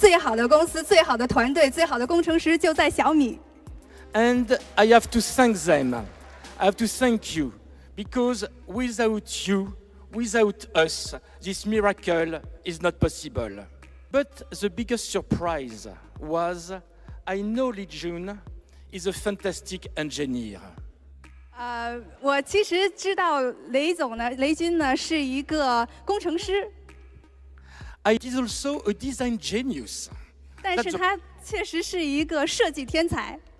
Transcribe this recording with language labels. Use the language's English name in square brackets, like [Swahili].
[Chinese] 我可以向你们保证，全世界最好的公司、最好的团队、最好的工程师就在小米。 [English] And I have to thank them. I have to thank you, because without you, without us, this miracle is not possible. But the biggest surprise was I know Li Jun is a fantastic engineer. [Chinese] 我其实知道雷总呢，雷军呢是一个工程师。 [English] I is also a design genius. [Chinese] 但是他确实是一个设计天才。